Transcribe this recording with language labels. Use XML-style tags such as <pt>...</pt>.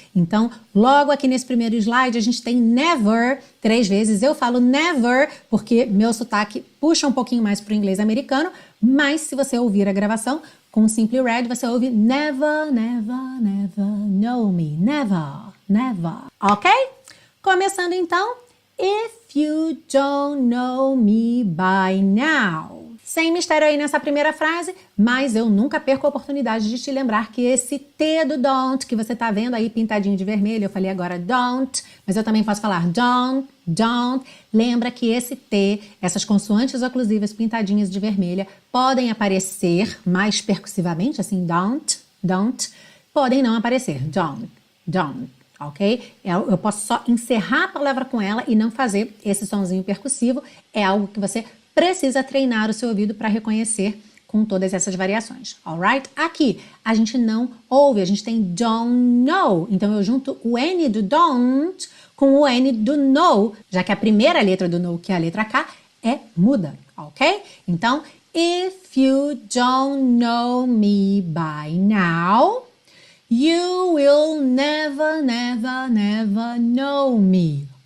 <pt>Então, logo aqui nesse primeiro slide, a gente tem never 3 vezes. Eu falo never porque meu sotaque puxa um pouquinho mais para o inglês americano, mas se você ouvir a gravação com o Simply Red, você ouve never, never, never know me.</pt> <en>Never, never.</en> <pt>Ok? Começando então.</pt> <en>If you don't know me by now.</en> <pt>Sem mistério aí nessa primeira frase, mas eu nunca perco a oportunidade de te lembrar que esse T do don't, que você tá vendo aí pintadinho de vermelho, eu falei agora don't, mas eu também posso falar don't. Lembra que esse T, essas consoantes oclusivas pintadinhas de vermelha, podem aparecer mais percussivamente, assim, don't, podem não aparecer, don't. Ok? Eu posso só encerrar a palavra com ela e não fazer esse sonzinho percussivo. É algo que você precisa treinar o seu ouvido para reconhecer com todas essas variações. Alright? Aqui, a gente não ouve, a gente tem don't know. Então, eu junto o N do don't com o N do know, já que a primeira letra do know, que é a letra K, é muda. Ok?</pt> <en>Então, if you don't know me by now, you will never, never, never know me.</en>